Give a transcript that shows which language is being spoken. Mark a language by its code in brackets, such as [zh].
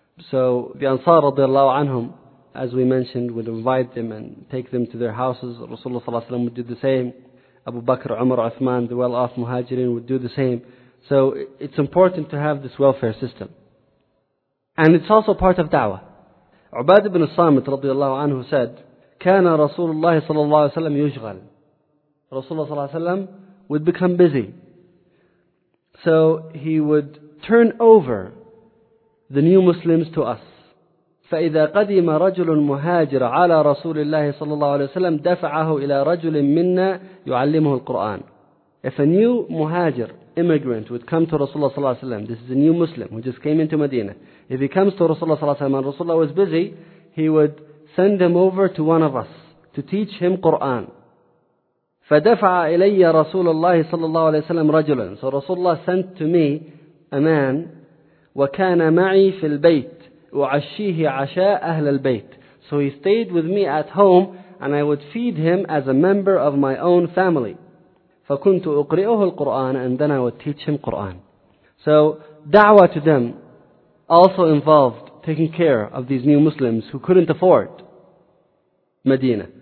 [en] So the Ansar radiallahu anhum, as we mentioned, would invite them and take them to their houses. Rasulullah sallallahu alayhi wa sallam would do the same. Abu Bakr, Umar, Uthman, the well-off muhajirin would do the same. So it's important to have this welfare system. And it's also part of da'wah. [ar] Ubad ibn Samit radiallahu anhu said, كان رسول الله صلى الله عليه وسلم يشغل. [en] Rasulullah صلى الله عليه وسلم would become busy. So he would turn over the new Muslims to us. [ar] فإذا قدم رجل مهاجر على رسول الله صلى الله عليه وسلم دفعه إلى رجل منا يعلمه القرآن. [en] If a new muhajir, immigrant, would come to Rasulullah sallallahu alayhi wa sallam, this is a new Muslim who just came into Medina. If he comes to Rasulullah sallallahu alayhi wa sallam and Rasulullah was busy, he would send him over to one of us to teach him Quran. [ar] فَدَفَعَ إِلَيَّ رَسُولَ اللَّهِ صَلَّى اللَّهُ عَلَيْهِ وَسَلَّمْ رَجُلًا. [en] So Rasulullah sent to me a man, [ar] وَكَانَ مَعِي فِي الْبَيْتِ وَعَشِّيهِ عَشَاءَ أَهْلَ الْبَيْتِ. [en] So he stayed with me at home and I would feed him as a member of my own family. [ar] فَكُنْتُ أُقْرِئُهُ الْقُرْآنَ [en] and then I would teach him Qur'an. So, da'wah to them also involved taking care of these new Muslims who couldn't afford Medina.